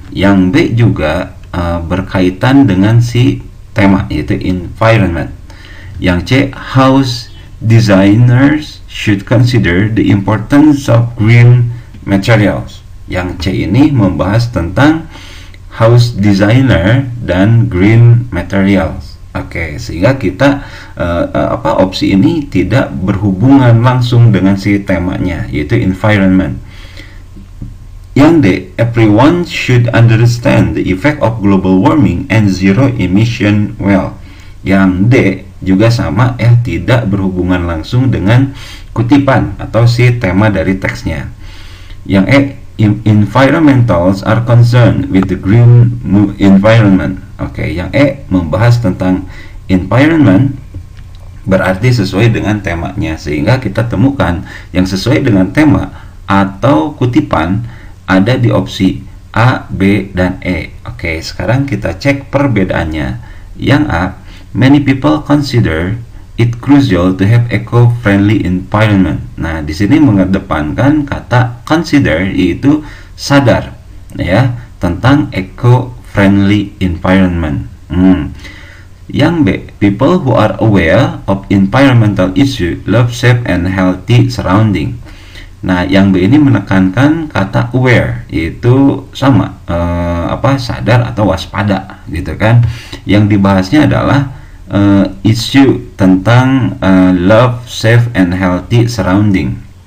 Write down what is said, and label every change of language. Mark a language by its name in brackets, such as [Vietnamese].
[Indonesian] Yang B juga berkaitan dengan si tema, yaitu environment. Yang C, [English] house designers should consider the importance of green materials. [Indonesian] Yang C ini membahas tentang house designer dan green materials. Oke, okay, sehingga kita opsi ini tidak berhubungan langsung dengan si temanya, yaitu environment. Yang D, [English] everyone should understand the effect of global warming and zero emission well. [Indonesian] Yang D juga sama, tidak berhubungan langsung dengan kutipan atau si tema dari teksnya. Yang E, [English] environmentals are concerned with the green environment. [Indonesian] Oke, okay, yang E membahas tentang environment berarti sesuai dengan temanya, sehingga kita temukan yang sesuai dengan tema atau kutipan ada di opsi A, B, dan E. Oke, okay, sekarang kita cek perbedaannya. Yang A, [English] many people consider it crucial to have eco-friendly environment. [Indonesian] Nah, di sini mengedepankan kata consider, yaitu sadar ya, tentang eco-friendly environment. Yang B, [English] people who are aware of environmental issue love safe and healthy surrounding. [Indonesian] Nah, yang B ini menekankan kata aware, yaitu sama sadar atau waspada gitu kan. Yang dibahasnya adalah issue tentang [English] love safe and healthy surrounding.